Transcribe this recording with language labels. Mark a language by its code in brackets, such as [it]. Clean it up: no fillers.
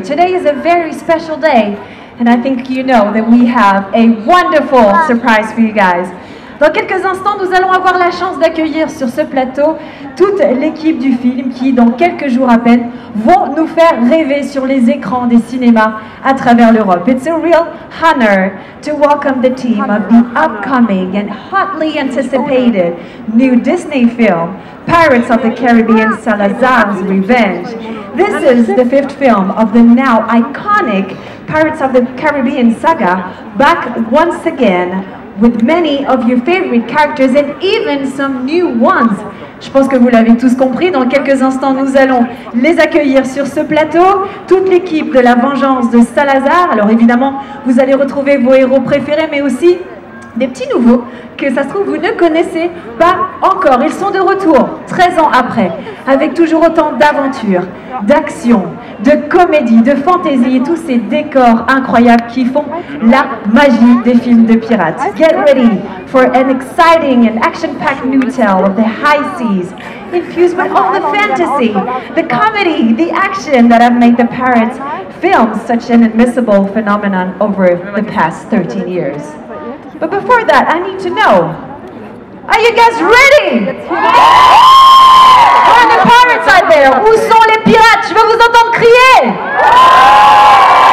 [en] Today is a very special day, and I think you know that we have a wonderful surprise for you guys. [fr] Dans quelques instants, nous allons avoir la chance d'accueillir sur ce plateau toute l'équipe du film qui, dans quelques jours à peine, vont nous faire rêver sur les écrans des cinémas à travers l'Europe. [en] It's a real honor to welcome the team of the upcoming and hotly anticipated new Disney film, Pirates of the Caribbean, Salazar's Revenge. This is the fifth film of the now iconic Pirates of the Caribbean saga, back once again with many of your favorite characters and even some new ones. [fr] Je pense que vous l'avez tous compris, dans quelques instants nous allons les accueillir sur ce plateau, toute l'équipe de la vengeance de Salazar. Alors évidemment, vous allez retrouver vos héros préférés, mais aussi des petits nouveaux que ça se trouve vous ne connaissez pas encore. Ils sont de retour, 13 ans après, avec toujours autant d'aventures, d'actions, de comédies, de fantaisies, tous ces décors incroyables qui font la magie des films de pirates. [en] Get ready for an exciting and action-packed new tale of the high seas, infused with all the fantasy, the comedy, the action that have made the pirates films such an admissible phenomenon over the past 13 years. But before that, I need to know, are you guys ready? Where are the pirates out there? [fr] Où sont les pirates? Je veux vous entendre crier!